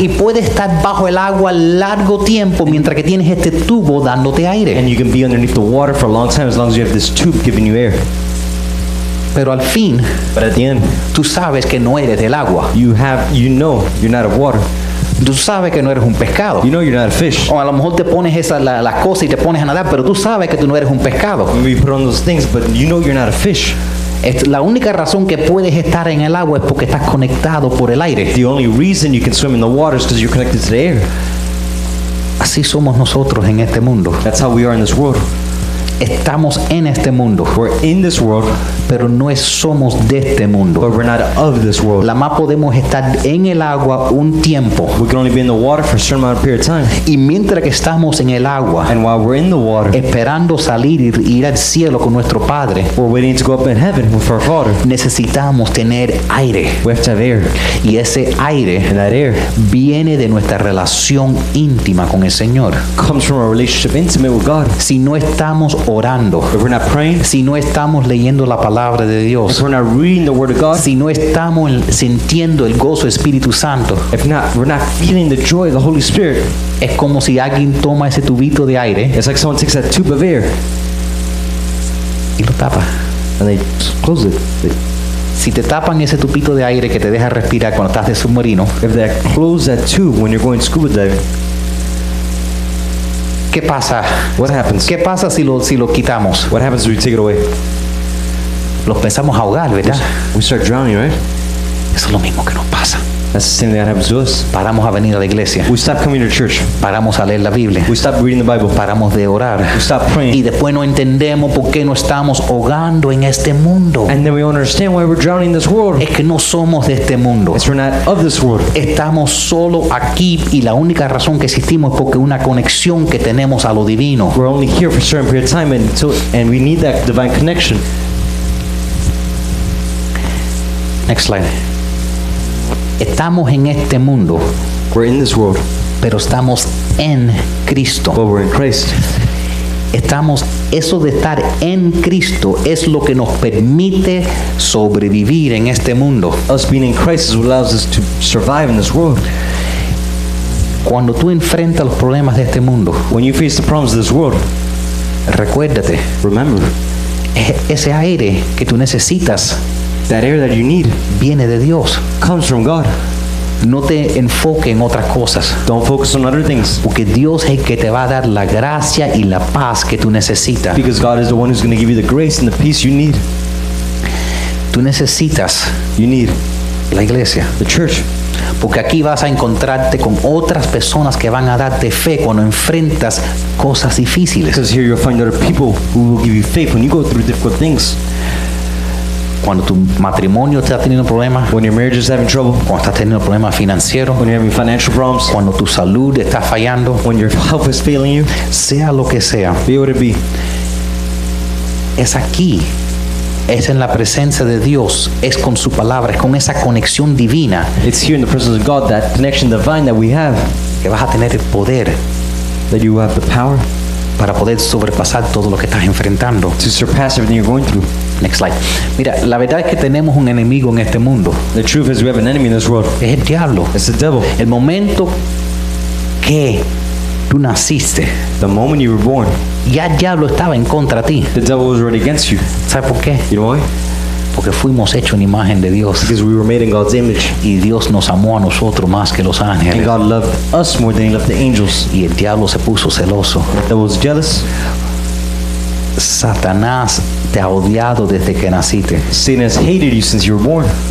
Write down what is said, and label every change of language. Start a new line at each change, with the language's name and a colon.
Spanish: Y puedes estar bajo el agua largo tiempo mientras que tienes este tubo dándote aire.
English: And you can be underneath the water for a long time as long as you have this tube giving you air.
Spanish: Pero al fin,
English: but at the end,
Spanish: tú sabes que no eres del agua.
English: You know you're not of water.
Spanish: Tú sabes que no eres un pescado.
English: You know you're not a fish.
Spanish: O a lo mejor te pones esa la cosa y te pones a nadar, pero tú sabes que tú no eres un pescado.
English: You put on those things, but you know you're not a fish.
Spanish: La única razón que puedes estar en el agua es porque estás conectado por el aire.
English: The only reason you can swim in the water is because you're connected to the air.
Spanish: Así somos nosotros en este mundo.
English: That's how we are in this world.
Spanish: Estamos en este mundo.
English: We're in this world,
Spanish: pero no somos de este mundo.
English: But we're not of this world.
Spanish: La más podemos estar en el agua un tiempo.
English: We can only be in the water for a certain amount of period of time.
Spanish: Y mientras que estamos en el agua,
English: and while we're in the water,
Spanish: esperando salir y ir al cielo con nuestro Padre,
English: we're waiting to go up in heaven with our Father.
Spanish: Necesitamos tener aire.
English: We have to have air.
Spanish: Y ese aire,
English: and that air,
Spanish: viene de nuestra relación íntima con el Señor.
English: Comes from a relationship intimate with God.
Spanish: Si no estamos orando,
English: if we're not praying,
Spanish: si no estamos leyendo la palabra de Dios,
English: if we're not reading the word of God,
Spanish: si no estamos sintiendo el gozo Espíritu Santo,
English: if not, we're not feeling the joy of the Holy Spirit,
Spanish: es como si alguien toma ese tubito de aire,
English: it's like someone takes that tube of air,
Spanish: y lo tapa,
English: and they close it.
Spanish: Si te tapan ese tubito de aire que te deja respirar cuando estás de submarino,
English: if they close that tube when you're going scuba diving.
Spanish: ¿Qué pasa?
English: What happens?
Spanish: ¿Qué pasa si lo quitamos?
English: What happens if we take it away?
Spanish: Los pensamos ahogar, ¿verdad?
English: We start drowning, right?
Spanish: Eso es lo mismo que nos pasa.
English: That's the same thing that happens to us.
Spanish: Paramos a venir a la iglesia.
English: We stop coming to church.
Spanish: Paramos a leer la Biblia.
English: We stop reading the Bible.
Spanish: Paramos de orar.
English: We stop praying.
Spanish: Y después no entendemos por qué no estamos ahogando en este mundo.
English: And then we don't understand why we're drowning in this world.
Spanish: Es que no somos de este mundo.
English: It's we're not of this world.
Spanish: Estamos solo aquí y la única razón que existimos es porque una conexión que tenemos a lo divino.
English: We're only here for a certain period of time and we need that divine connection. Next slide.
Spanish: Estamos en este mundo.
English: We're in this world.
Spanish: Pero estamos en Cristo.
English: But we're in Christ.
Spanish: Estamos, eso de estar en Cristo es lo que nos permite sobrevivir en este mundo.
English: Us being in Christ is what allows us to survive in this world.
Spanish: Cuando tú enfrentas los problemas de este mundo,
English: when you face the problems of this world,
Spanish: recuérdate.
English: Remember.
Spanish: Ese aire que tú necesitas,
English: that air that you need,
Spanish: viene de Dios.
English: Comes from God.
Spanish: No te enfoque en otras cosas.
English: Don't focus on other things.
Spanish: Porque Dios es el que te va a dar la gracia y la paz que tú necesitas.
English: Because God is the one who's going to give you the grace and the peace you need.
Spanish: Tú necesitas.
English: You need.
Spanish: La iglesia.
English: The church.
Spanish: Porque aquí vas a encontrarte con otras personas que van a darte fe cuando enfrentas cosas difíciles.
English: Because here you'll find other people who will give you faith when you go through difficult things.
Spanish: Cuando tu matrimonio está teniendo problemas,
English: when your marriage is having trouble,
Spanish: cuando estás teniendo problemas financieros,
English: when you're having financial problems,
Spanish: cuando tu salud está fallando,
English: when your health is failing you,
Spanish: sea lo que sea,
English: be what it be,
Spanish: es aquí, es en la presencia de Dios, es con su palabra, es con esa conexión divina,
English: it's here in the presence of God, that connection divine that we have,
Spanish: que vas a tener el poder,
English: that you have the power,
Spanish: para poder sobrepasar todo lo que estás enfrentando.
English: To surpass everything you're going through. Next slide.
Spanish: Mira, la verdad es que tenemos un enemigo en este mundo.
English: The truth is we have an enemy in this world.
Spanish: Es el diablo.
English: It's the devil.
Spanish: El momento que tú naciste,
English: the moment you were born,
Spanish: ya el diablo estaba en contra de ti.
English: The devil was already against you.
Spanish: ¿Sabes por qué?
English: You know why?
Spanish: Porque fuimos hechos en imagen de Dios.
English: Because we were made in God's image.
Spanish: Y Dios nos amó a nosotros más que los ángeles.
English: And God loved us more than he loved the angels.
Spanish: Y el diablo se puso celoso.
English: He was jealous.
Spanish: Satanás te ha odiado desde que naciste.
English: Satan has hated you since you were born.